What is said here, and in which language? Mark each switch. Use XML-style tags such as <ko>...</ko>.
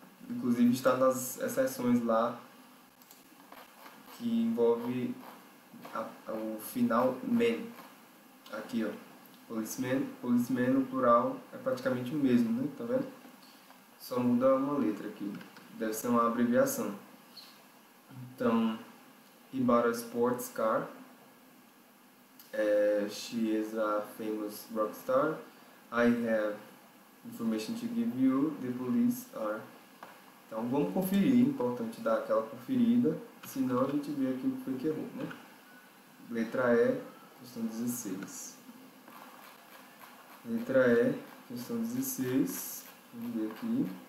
<pt>Inclusive está nas exceções lá que envolve o final men. Aqui, ó. Policeman, policeman no plural é praticamente o mesmo, né? Tá vendo? Só muda uma letra aqui. Deve ser uma abreviação.</pt> <en>Então, he bought a sports car. She is a famous rock star. I have information to give you. The police are.</en> <pt>Então vamos conferir, é importante dar aquela conferida, senão a gente vê aqui o que foi que errou, né? Letra E, questão 16. Letra E, questão 16. Vamos ver aqui.</pt>